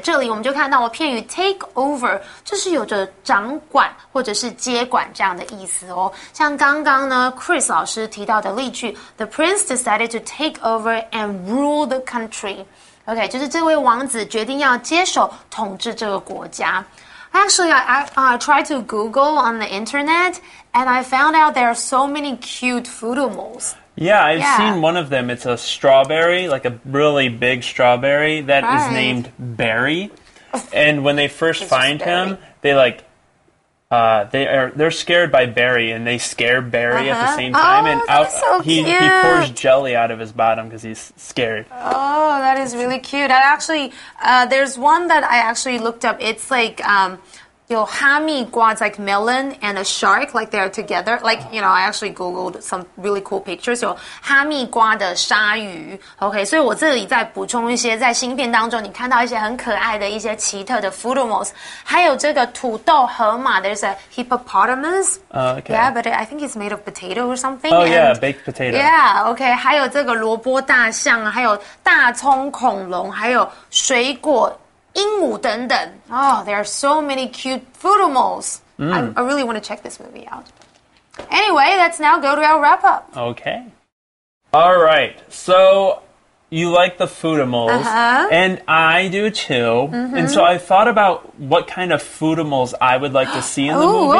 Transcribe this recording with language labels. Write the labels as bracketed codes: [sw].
[zh] 这里我们就看到了片语 take over， 就是有着掌管或者是接管这样的意思哦。像刚刚呢 Chris 老师提到的例句 [en] ，The prince decided to take over and rule the country。 [zh] OK， 就是这位王子决定要接手统治这个国家。 [en] Actually, I tried to Google on the internet, and I found out there are so many cute foodimals. Yeah, I've seen one of them. It's a strawberry, like a really big strawberry that is named Barry. And when they first find him, they like, they're scared by Barry, and they scare Barry at the same time. Oh, and that's so cute. He pours jelly out of his bottom because he's scared. Oh, that is really cute. And actually, there's one that I actually looked up. It's like, you know, 哈密瓜, like melon, and a shark, like they're together. Like, you know, I actually Googled some really cool pictures. [zh] 有哈密瓜的鲨鱼。OK, 所以我这里再补充一些在芯片当中你看到一些很可爱的一些奇特的 foodimals。还有这个土豆河马, [en] there's a hippopotamus. Okay. Yeah, but I think it's made of potato or something. Oh, yeah, baked potato. Yeah, OK. [zh] 还有这个萝卜大象, 还有大葱恐龙, 还有水果鹦鹉等等。 [en] Oh, there are so many cute foodimals. I really want to check this movie out. Anyway, let's now go to our wrap-up. Okay. All right. So, you like the foodimals. Uh-huh. And I do too. Mm-hmm. And so I thought about what kind of foodimals I would like to see in the movie.